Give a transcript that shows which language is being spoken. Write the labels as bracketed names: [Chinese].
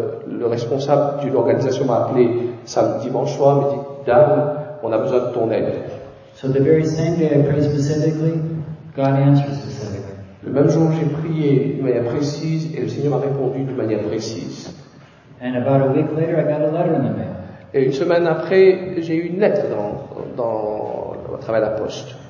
[French] Le responsable d'une organisation m'a appelé samedi dimanche soir, m'a dit Dan, on a besoin de ton aide. [English] So the very same day I prayed specifically, God answered specifically. [French] Le même jour j'ai prié de manière précise et le Seigneur m'a répondu de manière précise. [English] And about a week later I got a letter in the mail. [French] Et une semaine après j'ai eu une lettre à travers la poste.